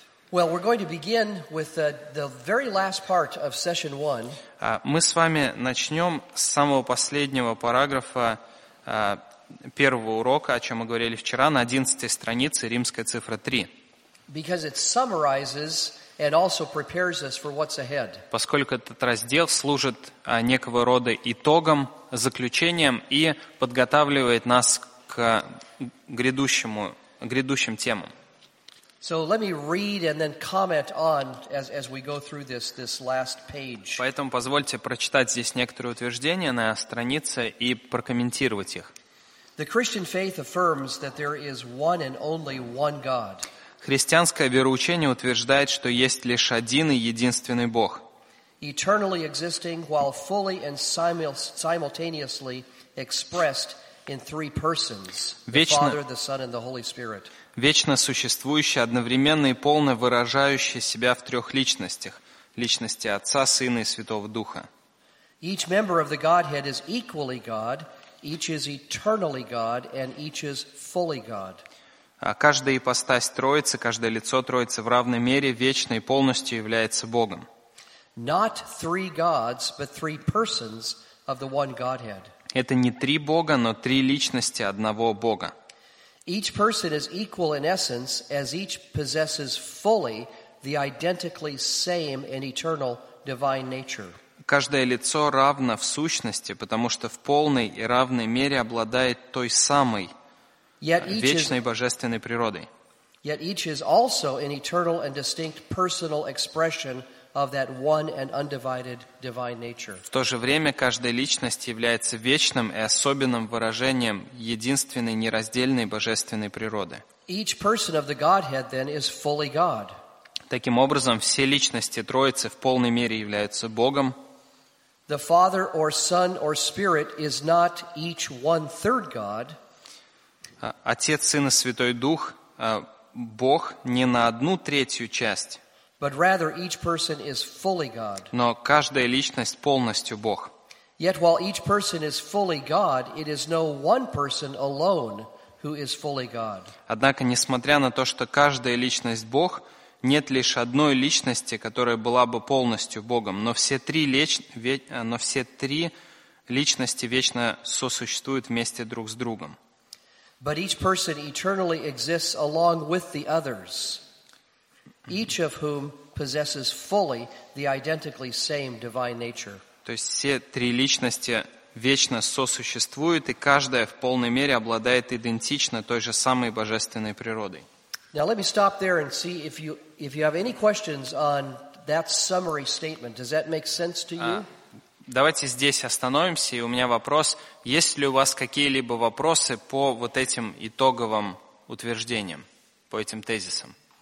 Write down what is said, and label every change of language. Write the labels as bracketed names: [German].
[English] Well, we're going to begin with the very last part of session one. [Russian] Мы с вами начнем с самого последнего параграфа первого урока, о чем мы говорили вчера, на 11-й странице, римская цифра 3. [English] Because it summarizes and also prepares us for what's ahead. [Russian] Поскольку этот раздел служит некого рода итогом, заключением и подготавливает нас к грядущим темам. [English] So let me read and then comment on as we go through this last page. [Russian] Поэтому позвольте прочитать здесь некоторые утверждения на странице и прокомментировать их. [English] The Christian faith affirms that there is one and only one God. [Russian] Христианское вероучение утверждает, что есть лишь один и единственный Бог. [English] Eternally existing while fully and simultaneously expressed in three persons, the Father, the Son, and the Holy Spirit. [Russian] Вечно существующий, одновременно и полно выражающий себя в трех личностях. Личности Отца, Сына и Святого Духа. [English] Each member of the Godhead is equally God, each is eternally God, and each is fully God. [Russian] Каждая ипостась Троицы, каждое лицо Троицы в равной мере вечно и полностью является Богом. [English] Not three gods, but three persons of the one Godhead. [Russian] Это не три Бога, но три личности одного Бога. [English] Each person is equal in essence, as each possesses fully the identically same and eternal divine nature. [Russian] Каждое лицо равно в сущности, потому что в полной и равной мере обладает той самой вечной божественной природой. [English] Yet each is also an eternal and distinct personal expression of that one and undivided divine nature. [Russian] В то же время каждая личность является вечным и особенным выражением единственной нераздельной божественной природы. [English] Each person of the Godhead then is fully God. [Russian] Таким образом, все личности Троицы в полной мере являются Богом. [English] The Father or Son or Spirit is not each one third God. [Russian] Отец, Сын и Святой Дух, Бог не на одну третью часть. [English] But rather each person is fully God. [Russian] Но каждая личность полностью Бог. [English] Yet while each person is fully God, it is no one person alone who is fully God. [Russian] Однако, несмотря на то, что каждая личность Бог, нет лишь одной личности, которая была бы полностью Богом, но все три личности вечно сосуществуют вместе друг с другом. [English] But each person eternally exists along with the others. Each of whom possesses fully the identically same divine nature. [Russian] То есть все три личности вечно сосуществуют, и каждая в полной мере обладает идентично той же самой божественной природой. [English] Now let me stop there and see if you have any questions on that summary statement. Does that make sense to you? [Russian] Давайте здесь остановимся, и у меня вопрос: есть ли у вас какие-либо вопросы по вот этим итоговым утверждениям, по этим тезисам?